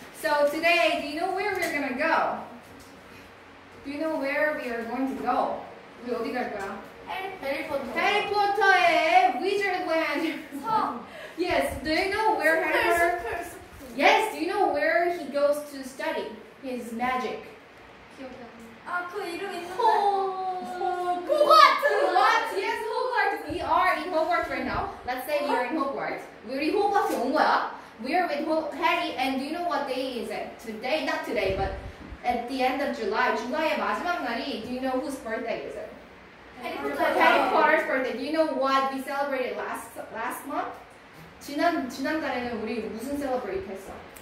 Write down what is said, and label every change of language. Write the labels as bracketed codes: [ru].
[en] So today, do you know where we're going to go? Do you know where we are going to go? [ko] 우리 어디 갈 거야? 해리포터. 해리포터의 위저드랜드. [en] Yes, do you know where Harry Potter? Yes, do you know where he goes to study his magic? [ko] 기억나. 아, 그 이름 있는데. [en] 호... 호그와트! Yes, Hogwarts. We are in Hogwarts right now. Let's say we are in Hogwarts. [ko] 우리 호그와트 온 거야. [en] We are with Harry, and do you know what day is it? Today, not today, but at the end of July. [ko] July의 마지막 날이, [en] do you know whose birthday is it? Harry Potter's birthday. Do you know what we celebrated last month? [ko] 지난달에는 우리 무슨 셀러브레이트 했어?